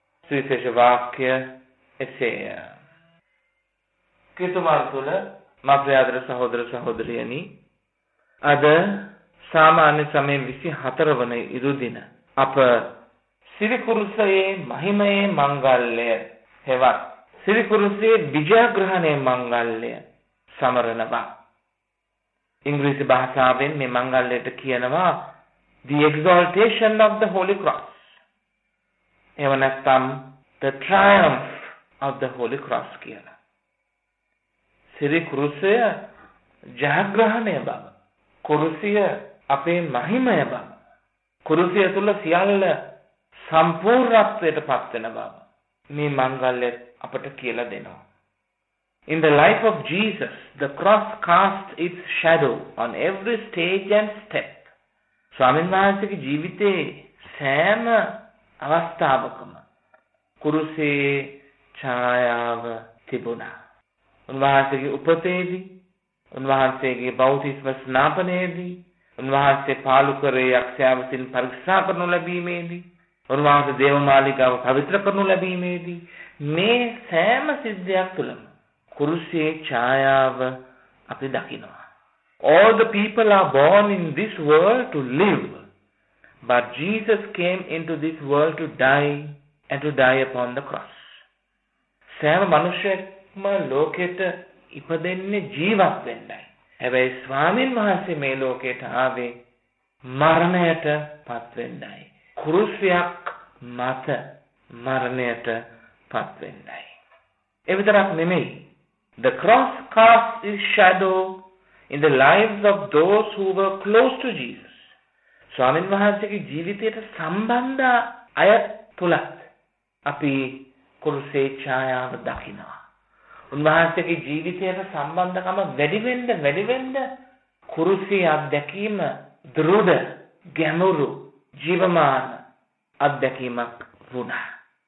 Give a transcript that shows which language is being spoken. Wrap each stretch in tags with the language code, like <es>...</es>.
<si>සුවිශේෂ වාක්‍ය එසේය. කිතුමාල් තුළ මබ්‍රයාදර සහෝදර සහෝදරියනි, අද සාමාන්‍ය සමය 24 වන ඉරුදින අප සිරිකුරුසයේ මහිමයේ මංගල්‍ය හෙවත් සිරිකුරුසයේ විජයග්‍රහණයේ මංගල්‍ය සමරනවා. ඉංග්‍රීසි භාෂාවෙන් මේ මංගල්‍යයට කියනවා</si> <en>The Exaltation of the Holy Cross.</en> <si>එහෙම නැත්නම්</si> <en>The Triumph of the Holy Cross</en> <si>කියලා. සිරිකුරුසය ජයග්‍රහණය බව, කුරුසය අපේ මහිමය බව, කුරුසය තුළ සියල්ල සම්පූර්ණත්වයට පත් වෙන බව මේ මංගල්‍ය අපට කියලා දෙනවා.</si> <en>In the life of Jesus, the cross cast its shadow on every stage and step.</en> <si>ස්වාමීන් වහන්සේගේ ජීවිතයේ සෑම අවස්ථාවකම කුරුසයේ ඡායාව තිබුණා. උන්වහන්සේගේ උපතේදී, උන්වහන්සේගේ බෞතිස්ම ස්නාපනයේදී, උන්වහන්සේ පාලුකරේ යක්ෂයාවසින් පරික්ෂා කරනු ලැබීමේදී, උන්වහන්සේ දේව මාලිකාව පවිත්‍ර කරනු ලැබීමේදී, මේ සෑම සිද්ධියක් තුළම කුරුසයේ ඡායාව අපි දකිනවා.</si> <en>All the people are born in this world to live, but Jesus came into this world to die and to die upon the cross.</en> <si>සෑම මනුෂ්‍යයෙක්ම ලෝකෙට ඉපදෙන්නේ ජීවත් වෙන්නයි. හැබැයි ස්වාමීන් වහන්සේ මේ ලෝකයට ආවේ මරණයට පත් වෙන්නයි. කුරුසයක් මත මරණයට පත් වෙන්නයි. ඒ විතරක් නෙමෙයි,</si> <en>The cross cast its shadow in the lives of those who were close to Jesus.</en> <si>ස්වාමීන් වහන්සේගේ ජීවිතයට සම්බන්ධ අය තුලත් අපි කුරුසයේ ඡායාව දකිනවා. උන්වහන්සේගේ ජීවිතයට සම්බන්ධකම වැඩි වෙන්න කුරුසයේ අත්දැකීම දෘඪ, ගැඹුරු, ජීවමාන අත්දැකීමක් වුණා.</si>